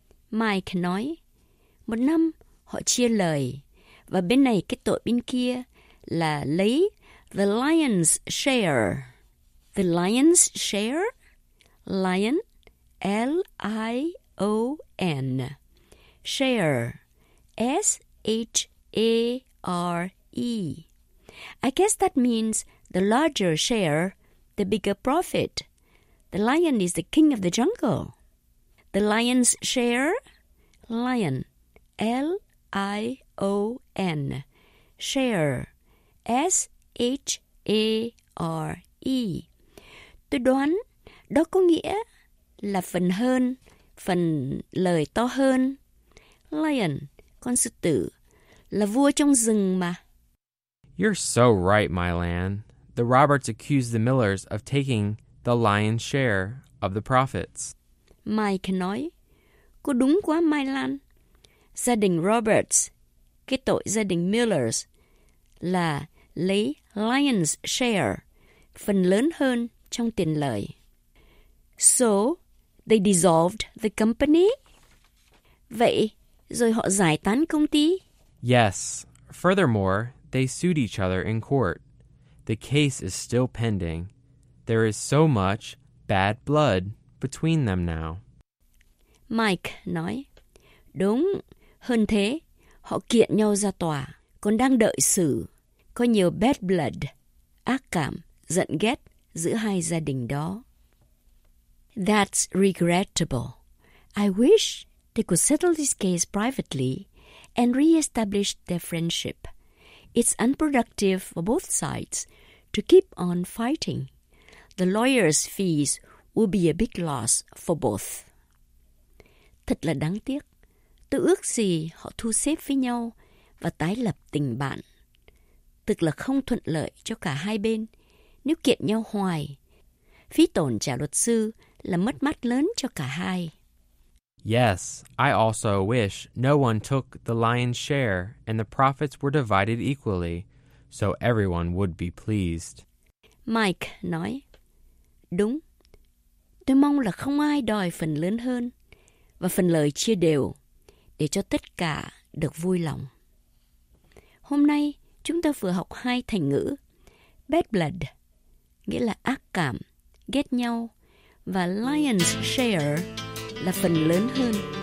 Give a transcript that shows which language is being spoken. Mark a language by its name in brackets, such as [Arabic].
[Vietnamese] Mike nói, một năm, họ chia lời, và bên này cái tội bên kia là lấy the lion's share. [English] The lion's share? Lion, L-I-O-N. Share, S-H-A-R-E. I guess that means the larger share, the bigger profit. The lion is the king of the jungle. The lion's share? Lion, L I-O-N, share, S-H-A-R-E. [Vietnamese] Tôi đoán đó có nghĩa là phần hơn, phần lời to hơn. Lion, con sư tử, là vua trong rừng mà. [English] You're so right, Mylan. The Roberts accused the Millers of taking the lion's share of the profits. [Vietnamese] Mike nói, cô đúng quá, Mylan. Gia đình Roberts, cái tội gia đình Millers, là lấy lion's share, phần lớn hơn trong tiền lời. [English] So, they dissolved the company? [Vietnamese] Vậy, rồi họ giải tán công ty? [English] Yes. Furthermore, they sued each other in court. The case is still pending. There is so much bad blood between them now. [Vietnamese] Mike nói, đúng. Hơn thế, họ kiện nhau ra tòa, còn đang đợi xử. Có nhiều bad blood, ác cảm, giận ghét giữa hai gia đình đó. [English] That's regrettable. I wish they could settle this case privately and re-establish their friendship. It's unproductive for both sides to keep on fighting. The lawyer's fees will be a big loss for both. [Vietnamese] Thật là đáng tiếc. Tôi ước gì họ thu xếp với nhau và tái lập tình bạn. Thực là không thuận lợi cho cả hai bên nếu kiện nhau hoài. Phí tổn trả luật sư là mất mát lớn cho cả hai. [English] Yes, I also wish no one took the lion's share and the profits were divided equally, so everyone would be pleased. [Vietnamese] Mike nói, đúng, tôi mong là không ai đòi phần lớn hơn và phần lợi chia đều để cho tất cả được vui lòng. Hôm nay, chúng ta vừa học hai thành ngữ, bad blood, nghĩa là ác cảm, ghét nhau, và lion's share là phần lớn hơn.